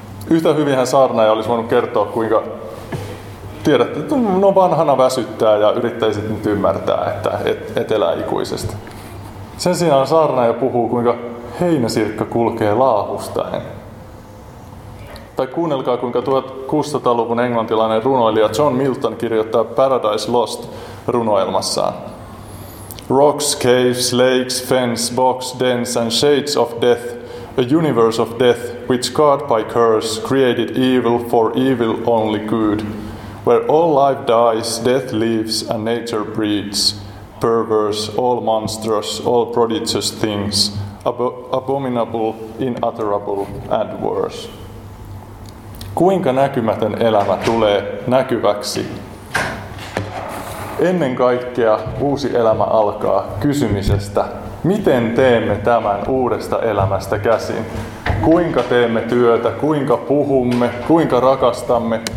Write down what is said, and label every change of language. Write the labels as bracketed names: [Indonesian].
[Finnish] Yhtä hyvinhän saarnaaja olisi voinut kertoa, kuinka tiedätte, että no vanhana väsyttää ja yrittäisit nyt ymmärtää, että et elää ikuisesti. Sen sijaan saarnaaja puhuu, kuinka heinäsirkka kulkee laahustaen. Tai kuunnelkaa, kuinka 1600-luvun englantilainen runoilija John Milton kirjoittaa Paradise Lost runoelmassaan. [English] Rocks, caves, lakes, fens, box, dens and shades of death, a universe of death, which God by curse created evil for evil only good, where all life dies, death lives and nature breeds, perverse, all monstrous, all prodigious things, abominable, inutterable and worse. [Finnish] Kuinka näkymätön elämä tulee näkyväksi? Ennen kaikkea uusi elämä alkaa kysymisestä. Miten teemme tämän uudesta elämästä käsin? Kuinka teemme työtä? Kuinka puhumme? Kuinka rakastamme?